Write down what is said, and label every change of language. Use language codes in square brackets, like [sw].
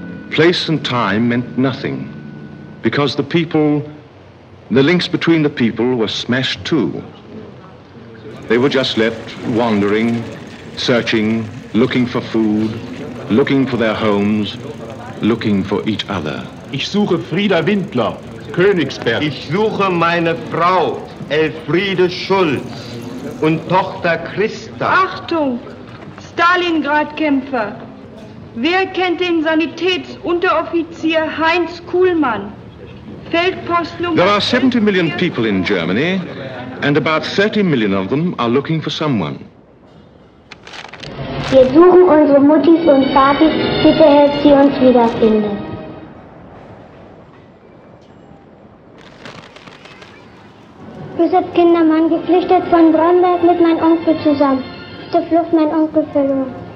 [en] Place and time meant nothing. Because the people, the links between the people were smashed too. They were just left wandering, searching, looking for food, looking for their homes, looking for each other. [de] Ich suche Frieda Windler, Königsberg. Ich suche meine Frau, Elfriede Schulz, und Tochter Christa. Achtung, Stalingrad-Kämpfer. Wer kennt den Sanitätsunteroffizier Heinz Kuhlmann? [en] There are 70 million people in Germany, and about 30 million of them are looking for someone. [de] Wir suchen unsere Muttis und Vatis, bitte helft sie uns wiederfinden. Wir sind Kindermann, geflüchtet von Bromberg mit meinem Onkel zusammen. Zur Flucht mein Onkel verloren.